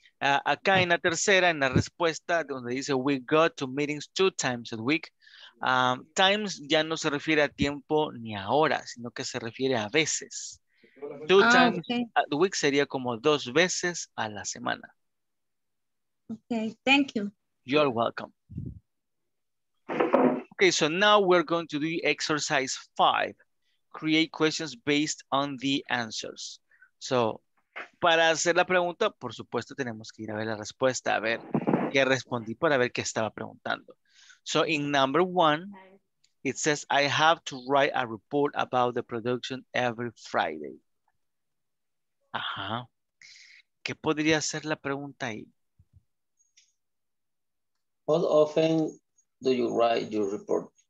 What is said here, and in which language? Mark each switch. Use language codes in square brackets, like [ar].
[es] Acá en la tercera, en la respuesta, donde dice, [en] we go to meetings two times a week. [es] Times ya no se refiere a tiempo ni a hora, sino que se refiere a veces. [en] Two times a week [es] sería como dos veces a la semana. [en] Ok, thank you. You're welcome. Okay, so now we're going to do exercise 5. Create questions based on the answers. [es] So, para hacer la pregunta, por supuesto, tenemos que ir a ver la respuesta, a ver qué respondí para ver qué estaba preguntando. [en] So, in number one, it says, I have to write a report about the production every Friday. [es] Ajá. ¿Qué podría ser la pregunta ahí? [en] How often do you write your report?